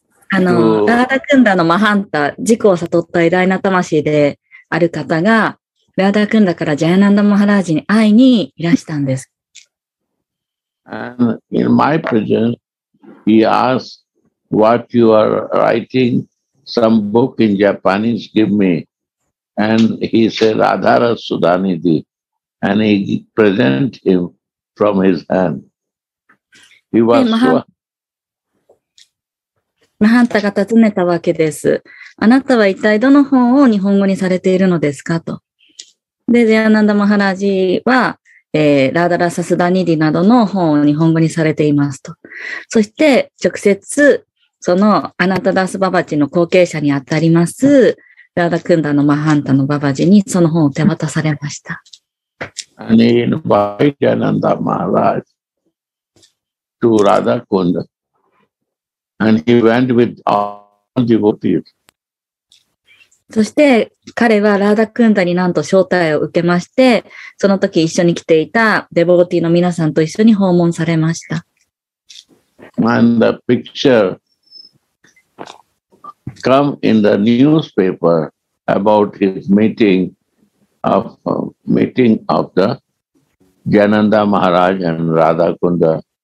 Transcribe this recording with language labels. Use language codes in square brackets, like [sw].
[ja] ラーダクンダのマハンタ、自己を悟った偉大な魂である方が、ラーダクンダからジャヤナンダ・マハラージに会いにいらしたんです。 [en] And in my presence, he asked what you are writing. Some book in Japanese, give me. And he said, Adhara Sudhanidhi. And he present him from his hand. He was so... [ja] Mahanta が尋ねたわけです。あなたは一体どの本を日本語にされているのですかと。で、ジャヤナンダ・マハラジは、ラダラサ・スダニディなどの本を日本語にされていますと。そして、直接、そのアナタダスババジの後継者にあたりますラダクンダのマハンタのババジにその本を手渡されました。 [en] And he invited Ananda Maharaj to Radha Kunda. And he went with all devotees. [ja] そして彼はラダクンダになんと招待を受けまして、その時一緒に来ていたデボーティーの皆さんと一緒に訪問されました。 [en] And the picture. Come in the newspaper about his meeting of the Jananda Maharaj and Radha Kunda.